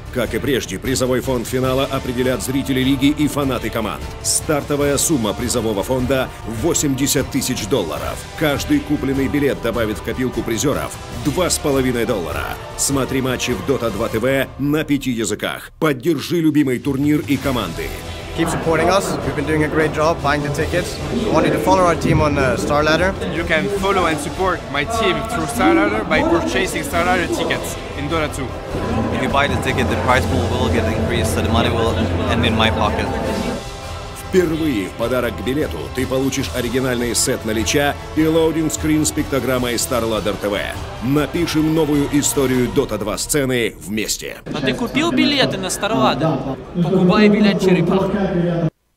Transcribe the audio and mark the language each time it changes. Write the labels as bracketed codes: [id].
[ru] Как и прежде, призовой фонд финала определят зрители лиги и фанаты команд. Стартовая сумма призового фонда – $80 000. Каждый купленный билет добавит в копилку призеров – $2.5. Смотри матчи в Dota 2 TV на 5 языках. Поддержи любимый турнир и команды. [en] Keep supporting us. We've been doing a great job buying the tickets. I want you to follow our team on Star Ladder. You can follow and support my team through Star Ladder by purchasing Star Ladder tickets in Dota 2. If you buy the ticket, the prize pool will get increased, so the money will end in my pocket. [ru] Впервые в подарок к билету ты получишь оригинальный сет на лича и лоудинг-скрин с пиктограммой Star Ladder TV. Напишем новую историю Dota 2 сцены вместе. А ты купил билеты на Star Ladder? Покупай билет, черепах.